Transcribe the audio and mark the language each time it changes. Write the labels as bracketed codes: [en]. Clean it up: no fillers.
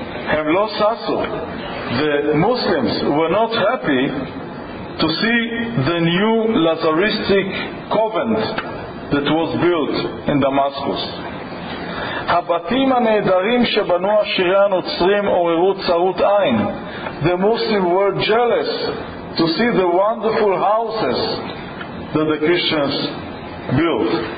[en] Herr Lossasso, the Muslims were not happy to see the new Lazaristic convent that was built in Damascus. [he] הבתים הנהדרים שבנו עשירי הנוצרים עוררו צרות עין. [en] The Muslims were jealous to see the wonderful houses that the Christians built.